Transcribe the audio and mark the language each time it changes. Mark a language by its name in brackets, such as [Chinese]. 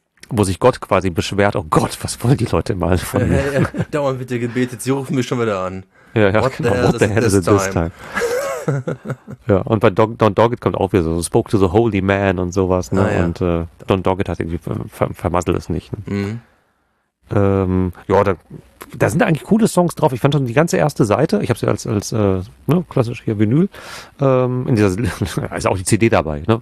[German] Wo sich Gott quasi beschwert, oh Gott, was wollen die Leute mal von mir? Dauernd wird dir gebetet, sie rufen mich schon wieder an. [English] Ja, what the hell is it this time? [German] Ja, und bei Don't Dogg It kommt auch wieder so, [English] spoke to the holy man [German] und sowas, ne? Ja. Und Don't Dogg It hat irgendwie, vermasselt es nicht. Ne? Mhm. Da sind eigentlich coole Songs drauf. Ich fand schon die ganze erste Seite, ich habe sie als klassisch hier Vinyl, in dieser, ist auch die CD dabei, ne?